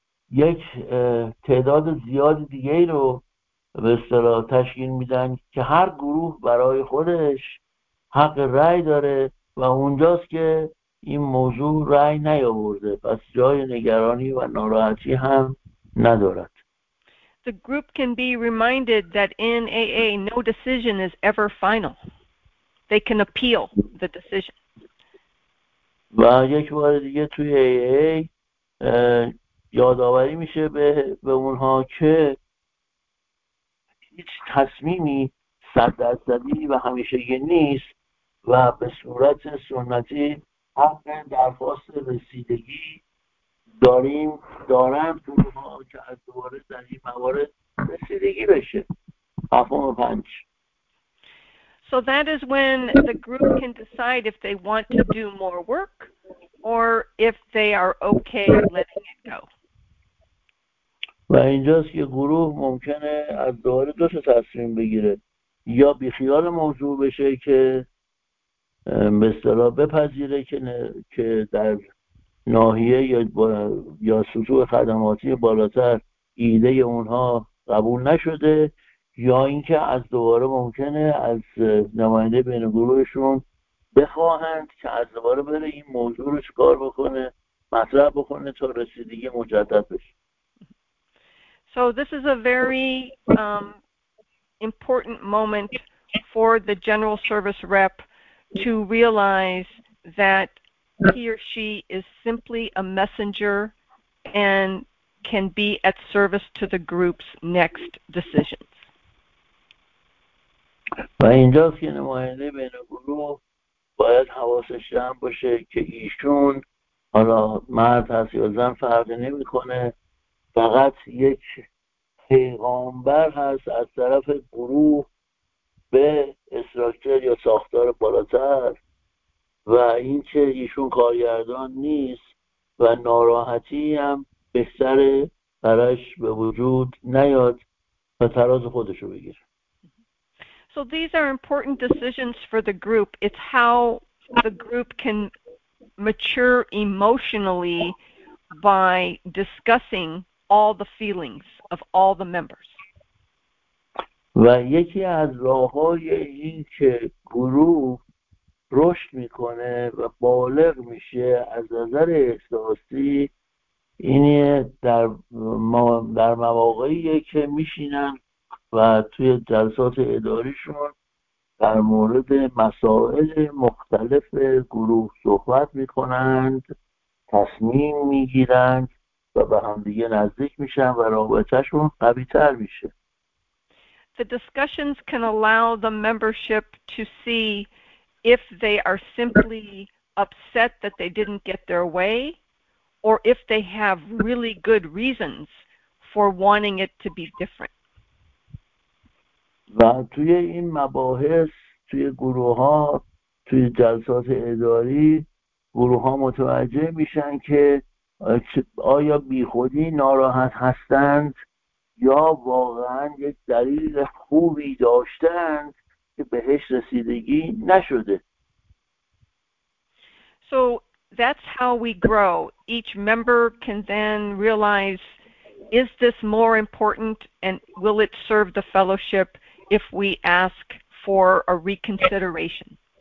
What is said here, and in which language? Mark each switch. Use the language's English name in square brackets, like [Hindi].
[Persian] یک تعداد زیاد دیگه رو به اصطلاح تشکیل میدن که هر گروه برای خودش حق رأی داره و اونجاست که این موضوع رأی نیاورده، پس جای نگرانی و ناراحتی هم ندارد. [English] The group can be reminded that in AA no decision is ever final. They can appeal the decision. [Persian] و یک بار دیگه توی AA یادآوری میشه به اونها که هیچ تصمیمی 100% و همیشه یه نیست و به صورت سنتی حق درخواست رسیدگی داریم دارن تو ما که از دوباره در این موارد رسیدگی بشه. هفتم و پنج. [English] So that is when the group can decide if they want to do more work or if they are okay letting it go. [Persian] و اینجاست که گروه ممکنه از دوباره دو تا تصمیم بگیره، یا بیخیال موضوع بشه که به اصطلاح بپذیره که در ناحیه یا سطوح خدماتی بالاتر ایده اونها قبول نشده، یا اینکه از دوباره ممکنه از نماینده بین گروهشون بخواهند که از دوباره بره این موضوع رو چکار بکنه، مطرح بکنه تا رسیدگی مجدد بشه. [English] So this is a very important moment for the general service rep to realize that he or she is simply a messenger and can be at service to the group's next decisions. [Persian] و اینجاست که نماینده بین گروه باید حواسش جمع باشه که ایشون، حالا مرد هست یا زن فرقی نمی‌کنه، فقط یک پیغامبر هست از طرف گروه به استراکچر یا ساختار بالاتر، و این که ایشون کارگردان نیست و ناراحتی هم بهتر براش به وجود نیاد و تراز خودش رو بگیره. [English] So these are important decisions for the group. It's how the group can mature emotionally by discussing all the feelings of all the members. [Persian] و یکی از راه‌های این که گروه رشد میکنه و بالغ میشه از نظر احساسی اینه در مواقعی که میشینن و توی جلسات اداریشون در مورد مسائل مختلف گروه صحبت میکنند، تصمیم میگیرند و به هم دیگه نزدیک میشن و رابطهشون قوی تر میشه. [English] The discussions can allow the membership to see if they are simply upset that they didn't get their way or if they have really good reasons for wanting it to be different. [Persian] و توی این مباحث، توی گروه ها، توی جلسات اداری، گروه ها متوجه میشن که آیا بیخودی ناراحت هستند یا واقعا یک دلیل خوبی داشتند که بهش رسیدگی نشده. [English] So that's how we grow. Each member can then realize, is this more important and will it serve the fellowship if we ask for a reconsideration?